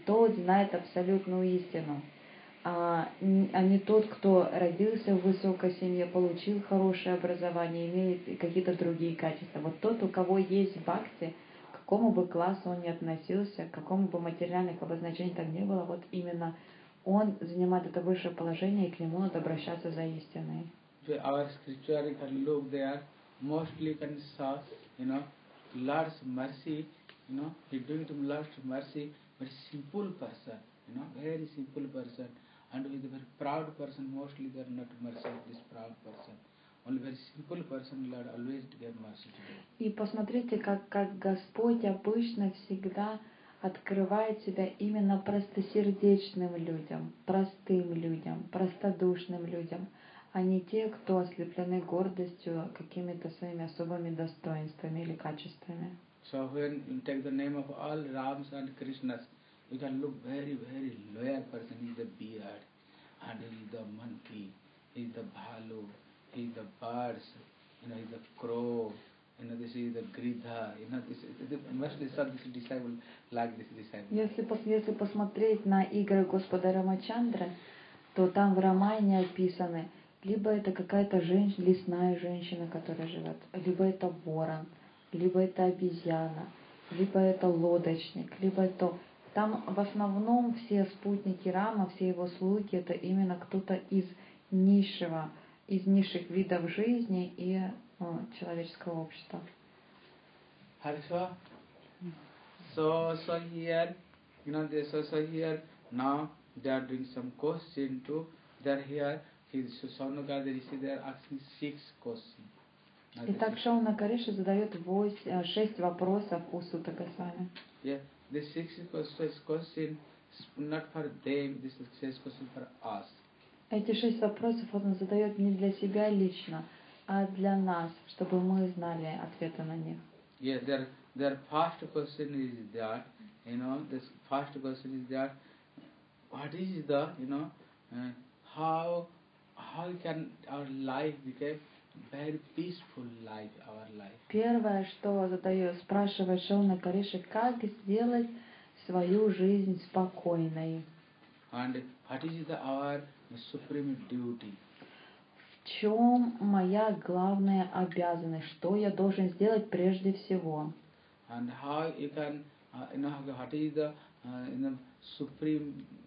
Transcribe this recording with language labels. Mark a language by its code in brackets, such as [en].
[ru] Тот знает абсолютную истину. А не тот, кто родился в высокой семье, получил хорошее образование, имеет какие-то другие качества. Вот тот, у кого есть бхакти, к какому бы классу он ни относился, к какому бы материальных обозначений там ни было, вот именно он занимает это высшее положение, и к нему надо обращаться за истиной. [en] Our scripture can look there, mostly can say, you know, Lord's mercy, you know, he doing to Lord's mercy, very simple person, you know, very simple person, and with a very proud person. Mostly they are not mercy of this proud person. Only very simple person Lord always give mercy to. [ru] И посмотрите, как Господь обычно всегда открывает себя именно простосердечным людям, простым людям, простодушным людям, а не те, кто ослеплены гордостью, какими-то своими особыми достоинствами или качествами. [en] So when you take the name of all Rams and Krishnas, you can look very, very loyal person. He's the beard, and he's the monkey, he's the bhalu, he's the birds, you know, he's the crow. You know, this is the Gridha. You know, this disciple. [ru] Если посмотреть на игры Господа Рамачандры, то там в Рамайне описаны, либо это какая-то женщина, лесная женщина, которая живет, либо это ворон, либо это обезьяна, либо это лодочник, либо это... Там в основном все спутники Рама, все его слуги, это именно кто-то из низших видов жизни и человеческого общества. Хорошо. [en] So here, you know, this so here, now they are doing some question to, they are here, his Sonoga, they see they are asking 6 questions. [ru] Итак, Шауна Кариша задает 6 вопросов у Сута Госвами. [en] Yeah, the 6 question is not for them, this is 6 question for us. [ru] Эти 6 вопросов он задает не для себя лично, а для нас, чтобы мы знали ответы на них. [en] Yeah, their first question is that, you know, this first question is that, what is the, you know, how can our life become very peaceful life, our life. [ru] Первое, что спрашивает Шауна Кариша, как сделать свою жизнь спокойной. [en] And what is our supreme duty? [ru] В чем моя главная обязанность? Что я должен сделать прежде всего? [en] And how you can, what is supreme